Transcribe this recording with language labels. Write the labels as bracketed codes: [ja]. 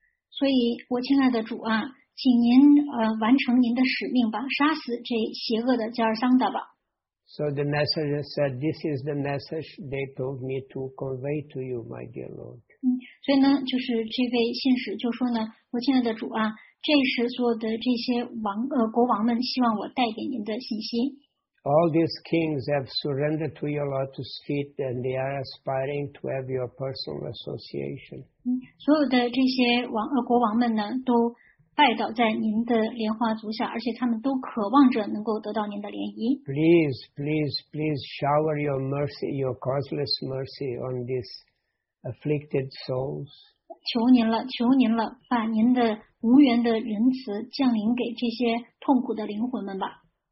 [zh] 所以，我亲爱的主啊，请您完成您的使命吧，杀死这邪恶的加尔桑达吧。 [en] So the messenger said, "This is the message they told me to convey to you, my dear Lord." [zh] 所以呢，就是这位信使就说呢，我亲爱的主啊，这是所有的这些王国王们希望我带给您的信息。 [en] All these kings have surrendered to your lotus feet, and they are aspiring to have your personal association. [zh] 所有的这些国王们呢，都拜倒在您的莲花足下，而且他们都渴望着能够得到您的莲衣。 [en] Please, please, please shower your mercy, your causeless mercy on these afflicted souls. [zh] 求您了，求您了，把您的无缘的仁慈降临给这些痛苦的灵魂们吧。